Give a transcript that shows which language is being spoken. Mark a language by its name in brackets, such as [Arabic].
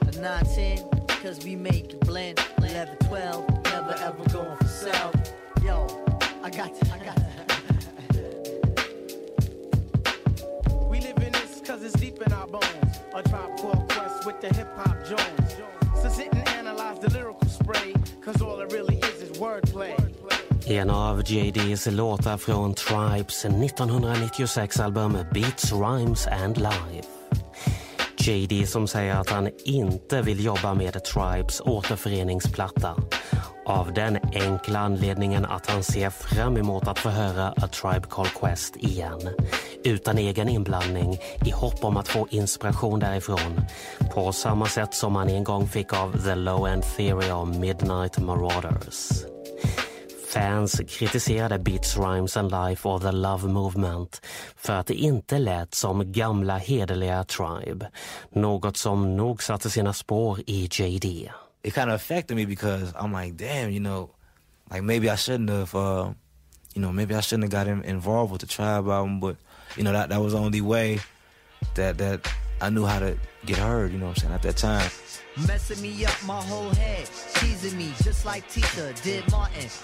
[English] 9, 10, cause we make a blend. 11, 12, never ever going for sale. Yo, I got we live in this cause it's deep in our bones. A Tribe Called Quest with the Hip Hop Jones. So sit and analyze the lyrical spray, cause all it really is wordplay. [Swedish] En av JD's låtar från Tribes 1996-album Beats, Rhymes and Life. JD som säger att han inte vill jobba med Tribes återföreningsplatta. Av den enkla anledningen att han ser fram emot att få höra A Tribe Called Quest igen. Utan egen inblandning, i hopp om att få inspiration därifrån. På samma sätt som han en gång fick av The Low End Theory of Midnight Marauders. Fans kritiserade Beats, Rhymes and Life och The Love Movement för att det inte lät som gamla hederliga Tribe. Något som nog satte sina spår i JD. [English] It kind of affected me because I'm like, damn, you know, like maybe I shouldn't have, you know, maybe I shouldn't have got involved with the Tribe album, but, you know, that was the only way that I knew how to get heard, you know what I'm saying, at that time. Messing me up my whole head, teasing me just like Tita did Martin.